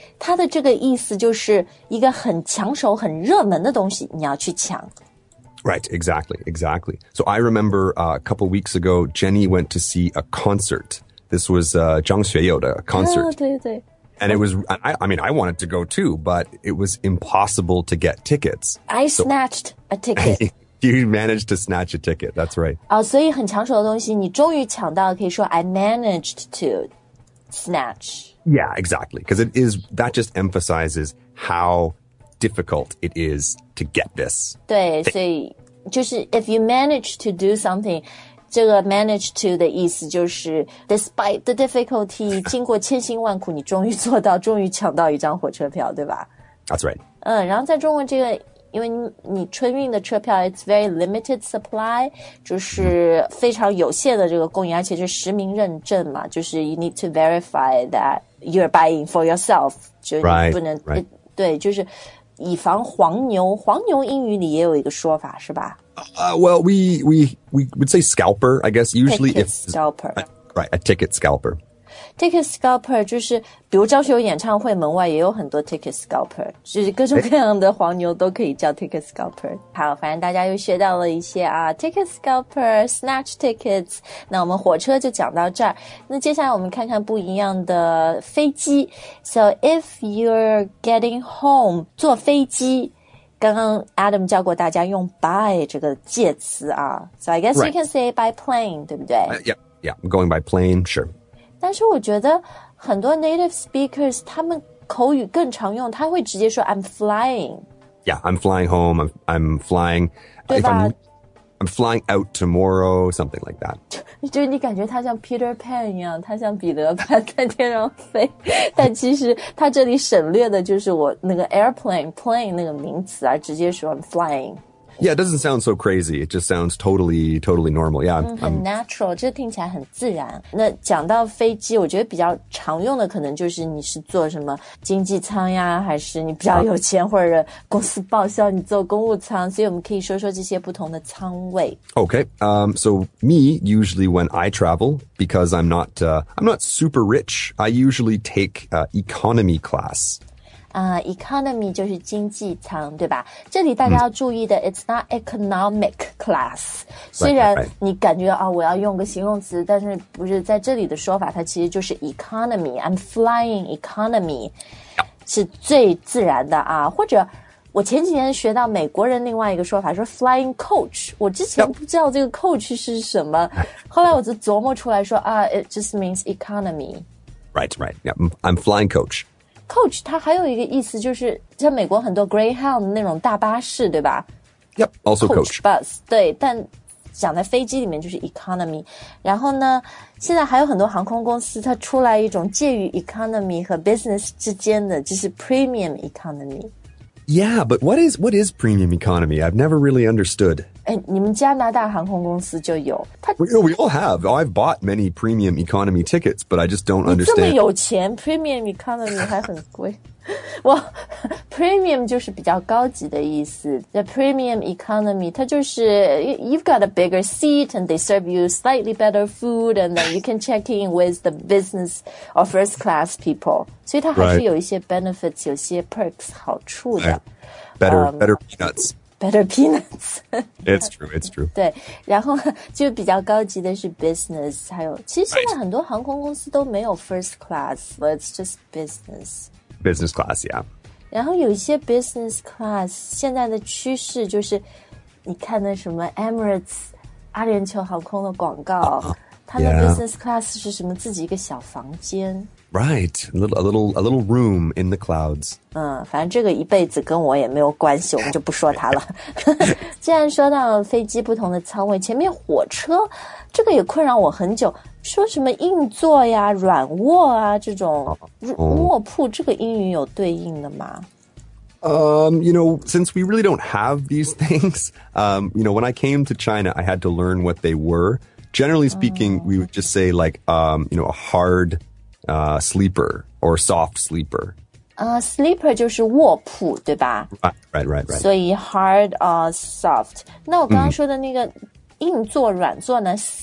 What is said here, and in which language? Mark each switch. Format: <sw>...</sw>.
<zh>它的这个意思就是一个很抢手、很热门的东西你要去抢。</zh> <en>Right, exactly, exactly. So I remember a couple weeks ago, Jenny went to see a concert. This was Zhang Xueyou, a concert.</en> <zh>Oh, 对对。</zh> <en>And it was, I mean, I wanted to go too, but it was impossible to get tickets. I snatched a ticket. You managed to snatch a ticket, that's right.</en> <zh>所以很抢手的东西你终于抢到可以说</zh> <en>I managed to snatch. Yeah, exactly. Because it is, that just emphasizes how... difficult it is to get this.</en> <zh>对，所以就是</zh> <en>if you manage to do something,</en> <zh>这个 manage to 的意思就是</zh> <en>despite the difficulty,</en> <zh>经过千辛万苦你终于做到，终于抢到一张火车票，对吧？</zh> <en>That's right.</en> <zh>然后在中国这个，因为你春运的车票</zh> <en>it's very limited supply,</en> <zh>就是非常有限的这个供应，而且是实名认证嘛，就是</zh> <en>you need to verify that you're buying for yourself,</en> <zh>就你不能</zh> <en>right.</en> <zh>对，就是以防黄牛。黄牛英语里也有一个说法，是吧？</zh> <en>Well, we would say scalper, I guess. Usually, if scalper, right, a ticket scalper.</en> <zh>Ticket scalper 就是，比如张学友演唱会门外也有很多 ticket scalper， 就是各种各样的黄牛都可以叫 ticket scalper。好，反正大家又学到了一些啊 ，ticket scalper, snatch tickets。那我们火车就讲到这儿。那接下来我们看看不一样的飞机。</zh> <en>So if you're getting home,</en> <zh>坐飞机。刚刚 Adam 教过大家用 by 这个介词啊。</zh> <en>So I guess、 right. you can say by plane, 对不对？ Yeah, yeah, going by plane, sure.</en> <zh>但是我觉得很多 native speakers 他们口语更常用，他会直接说</zh> <en>I'm flying. Yeah, I'm flying home. I'm flying.</en> <zh>对吧？</zh> <en>I'm flying out tomorrow, something like that.</en> <zh>就你感觉他像 Peter Pan 一样，他像彼得潘在天上飞，但其实他这里省略的就是我那个 airplane plane 那个名词，而直接说</zh> <en>I'm flying. Yeah, it doesn't sound so crazy. It just sounds totally, totally normal. Yeah, I'm natural.</en> <zh>这听起来很自然。那讲到飞机，我觉得比较常用的可能就是你是坐什么经济舱呀，还是你比较有钱或者公司报销，你坐公务舱。所以我们可以说说这些不同的舱位。</zh> <en>Okay, so me usually when I travel because I'm not super rich, I usually take economy class.</en> <zh>Economy 就是经济舱，对吧？这里大家要注意的、</zh> <en>it's not economic class.</en> <zh>虽然你感觉、我要用个形容词，但是不是在这里的说法，它其实就是 economy.</zh> <en>I'm flying economy、</en> <zh>是最自然的啊。或者我前几年学到美国人另外一个说法，说</zh> <en>flying coach.</en> <zh>我之前不知道这个 coach 是什么，后来我就琢磨出来说啊、</zh> <en>it just means economy. Right, right. Yeah, I'm flying coach.</en> <zh>Coach, 它还有一个意思就是像美国很多 Greyhound 那种大巴士对吧</zh> <en>Yep, also coach.</en> <zh>Bus, 对但讲在飞机里面就是 economy. 然后呢现在还有很多航空公司它出来一种介于 economy 和 business 之间的就是 premium economy.</zh> <en>Yeah, but what is premium economy? I've never really understood.</en> <zh>哎你们加拿大航空公司就有。</zh> <en>We all have. I've bought many premium economy tickets, but I just don't understand.</en> <zh>你这么有钱 ,premium economy 还很贵。well, premium 就是比较高级的意思。</zh> <en>The premium economy,</en> <zh>它就是</zh> <en>you've got a bigger seat and they serve you slightly better food and then you can check in with the business or first class people.</en> <zh>所以它还是有一些 benefits,、</zh> <en>right.</en> <zh>有些 perks, 好处的。</zh> <en>Better peanuts. Better peanuts. It's true, it's true.</en> <zh>对然后就比较高级的是 business, 还有其实现在很多航空公司都没有 first class,</zh> <en>but it's just business. Business class, yeah.</en> <zh>然后有一些 business class 现在的趋势就是你看的什么 Emirates 阿联酋航空的广告、他的 business class 是什么自己一个小房间</zh> <en>Right, a little room in the clouds</en> <zh>嗯，反正这个一辈子跟我也没有关系我们就不说它了既然说到飞机不同的舱位前面火车这个也困扰我很久说什么硬座呀软卧啊这种卧铺、这个英语有对应的吗</zh> <en>You know, since we really don't have these things, you know, when I came to China, I had to learn what they were. Generally speaking,、we would just say like, you know, a hard sleeper or soft sleeper.</en> <zh>Sleeper 就是卧铺对吧</zh> <en>Right.</en> <zh>所以 hard or soft. 那我刚刚说的那个硬座软座呢</zh>